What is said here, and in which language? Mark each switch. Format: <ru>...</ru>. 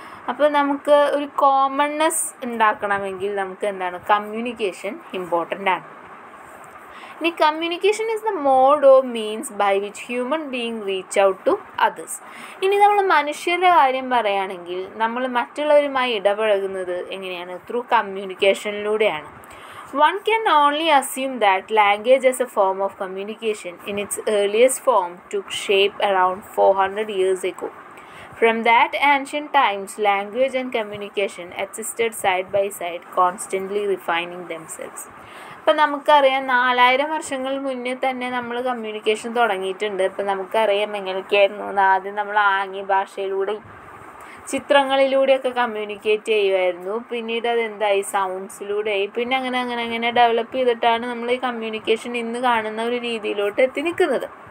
<ml>അപ്പോൾ നമുക്ക് ഒരു കോമൺനെസ് ഉണ്ടാക്കണമെങ്കിൽ നമുക്ക് എന്താണ്, കമ്മ്യൂണിക്കേഷൻ ഇമ്പോർട്ടൻ്റ് ആണ്.</ml> <en>ഇനി communication is the mode of means by which human being reach out to others.</en> <ml>ഇനി നമ്മൾ മനുഷ്യരുടെ കാര്യം പറയുകയാണെങ്കിൽ നമ്മൾ മറ്റുള്ളവരുമായി ഇടപഴകുന്നത് എങ്ങനെയാണ്? Through കമ്മ്യൂണിക്കേഷനിലൂടെയാണ്.</ml> <en>One can only assume that language as a form of communication in its earliest form took shape around 400 years ago. From that ancient times, language and communication existed side by side, constantly refining themselves.</en> <ml>ഇപ്പോൾ നമുക്കറിയാം 4000 വർഷങ്ങൾ മുന്നേ തന്നെ നമ്മൾ communication തുടങ്ങിയിട്ടുണ്ട്. ഇപ്പോൾ നമുക്കറിയാം എങ്ങനെയൊക്കെയായിരുന്നു ആദ്യം നമ്മൾ ആംഗ്യ ഭാഷയിലൂടെ ചിത്രങ്ങളിലൂടെയൊക്കെ കമ്മ്യൂണിക്കേറ്റ് ചെയ്യുമായിരുന്നു. പിന്നീട് അതെന്തായി? സൗണ്ട്സിലൂടെയായി. പിന്നെ അങ്ങനെ അങ്ങനെ അങ്ങനെ ഡെവലപ്പ് ചെയ്തിട്ടാണ് നമ്മൾ ഈ കമ്മ്യൂണിക്കേഷൻ ഇന്ന് കാണുന്ന ഒരു രീതിയിലോട്ട് എത്തി നിൽക്കുന്നത്.</ml>